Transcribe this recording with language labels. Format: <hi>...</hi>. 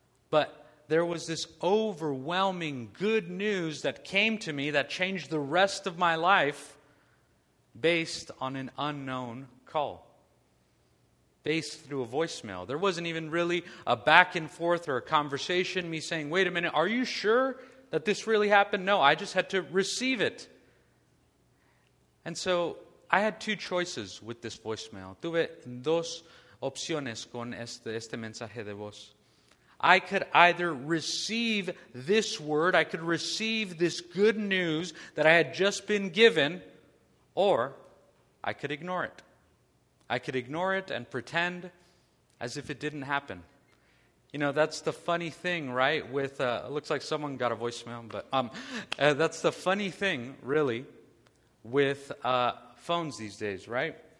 <en>But there was this overwhelming good news that came to me that changed the rest of my life based on an unknown call, based through a voicemail. There wasn't even really a back and forth or a conversation, me saying, wait a minute, are you sure that this really happened? No, I just had to receive it. And so I had two choices with this voicemail.</en> <es>Tuve dos opciones con este mensaje de voz.</es> <en>I could either receive this word, I could receive this good news that I had just been given, or I could ignore it. I could ignore it and pretend as if it didn't happen. You know, that's the funny thing, right? With it looks like someone got a voicemail, but that's the funny thing, really, with phones these days, right?</en>